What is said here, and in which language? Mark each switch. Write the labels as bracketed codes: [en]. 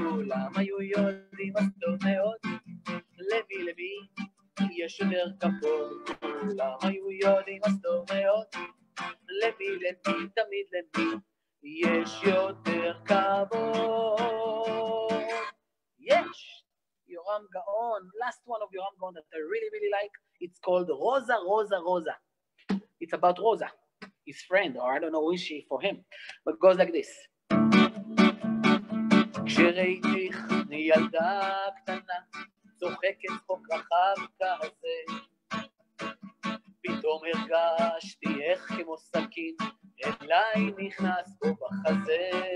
[he] כולם היו יודעים אז טוב מאוד. למי, למי, יש יותר כבוד, כולם היו יודעים אז טוב מאוד. למי, למי, תמיד למי, יש יותר כבוד. יש! [en] Yoram Gaon, last one of Yoram Gaon that I really, really like. It's called Rosa, Rosa, Rosa. It's about Rosa, his friend, or I don't know who is she for him. But it goes like this. [he] כשראיתיך ילדה קטנה צוחקת חוק רחב כזה, פתאום הרגשתי איך כמו סכין אליי נכנס בו בחזה.